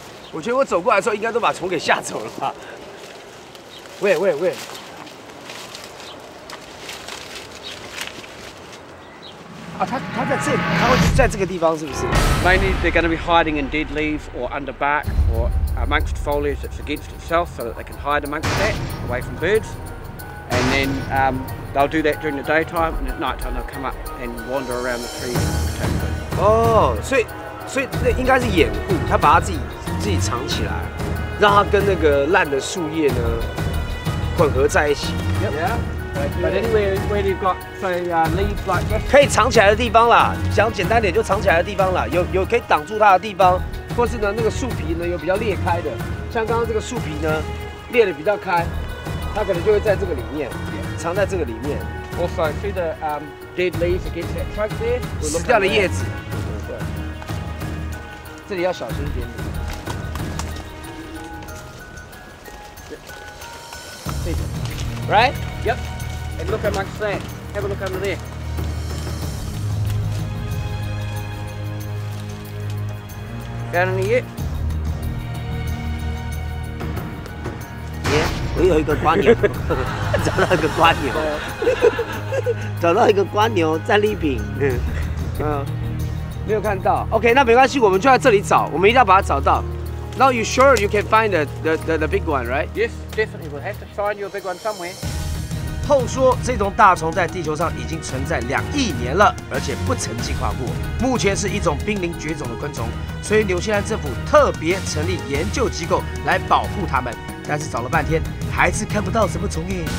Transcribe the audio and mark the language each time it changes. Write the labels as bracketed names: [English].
[Chinese] 我觉得我走过来的时候，应该都把虫给吓走了吧？喂！啊，它在这，它会在这个地方是不是 [English] ？Mainly they're going to be hiding in dead leaves or under bark or amongst foliage that's against itself, so that they can hide amongst that, away from birds. And then they'll do that during the daytime, and at night time they'll come up and wander around the trees. [Chinese] 哦，所以这应该是掩护，它把它自己藏起来，让它跟那个烂的树叶呢混合在一起。 [English] Yeah, but anyway, where you've got say leaves like this, [Chinese] 可以藏起来的地方啦，想简单点就藏起来的地方啦，有可以挡住它的地方，或是呢那个树皮呢有比较裂开的，像刚刚这个树皮呢裂的比较开，它可能就会在这个里面， [English] yeah. [Chinese] 藏在这个里面。 [English] Also, see the dead leaves against that trunk there. [Chinese] 死掉的叶子。对，这里要小心一点。 [English] Right? Yep. And look amongst that. Have a look under there. Found any yet? [Chinese] Yeah, 我有一个瓜牛，找到一个瓜牛，找到一个瓜牛战利品。没有看到。OK， 那没关系，我们就在这里找，我们一定要把它找到。 [English] Now you sure you can find the big one, right? Yes, definitely. We'll have to find your big one somewhere. [Chinese] 后说这种大虫在地球上已经存在2亿年了，而且不曾进化过。目前是一种濒临绝种的昆虫，所以纽西兰政府特别成立研究机构来保护它们。但是找了半天，还是看不到什么虫耶。